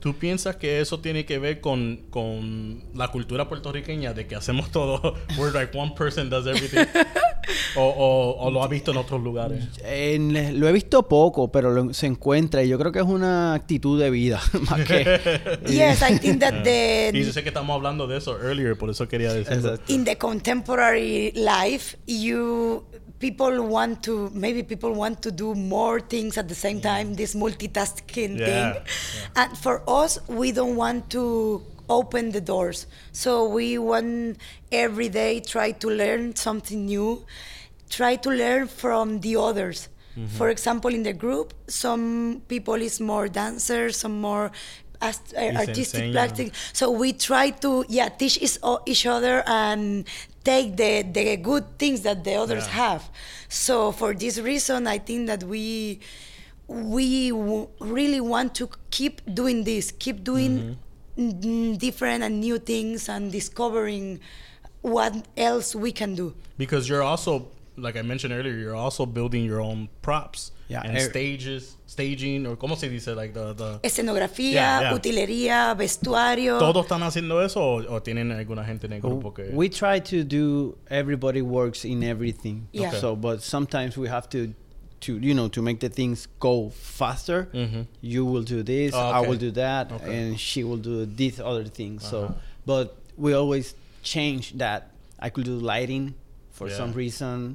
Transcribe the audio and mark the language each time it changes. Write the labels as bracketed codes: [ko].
[es] ¿Tú piensas que eso tiene que ver con la cultura puertorriqueña de que hacemos todo? [en] We're like one person does everything. [es] ¿O lo has visto en otros lugares? Lo he visto poco, pero se encuentra. Y yo creo que es una actitud de vida. Más que... [en] Yes, I think that the... [es] Y yo sé que estamos hablando de eso [en] earlier, [es] por eso quería decirlo. [en] In the contemporary life, people want to do more things at the same time, this multitasking thing. Yeah. And for us, we don't want to open the doors. So we want every day try to learn something new, try to learn from the others. Mm-hmm. For example, in the group, some people is more dancers, some more artistic practice. So we try to teach each other and take the good things that the others have. So for this reason, I think that we really want to keep doing this, keep doing different and new things and discovering what else we can do. Because you're also, like I mentioned earlier, you're also building your own props staging, or [es] ¿cómo se dice? [en] Like the [es] escenografía, utilería, vestuario. ¿Todos están haciendo eso o tienen alguna gente en el grupo que...? [en] We try to do, everybody works in everything. Yeah. Okay. So, but sometimes we have to make the things go faster. Mm-hmm. You will do this, I will do that, and she will do these other things. Uh-huh. So, but we always change that. I could do lighting for some reason.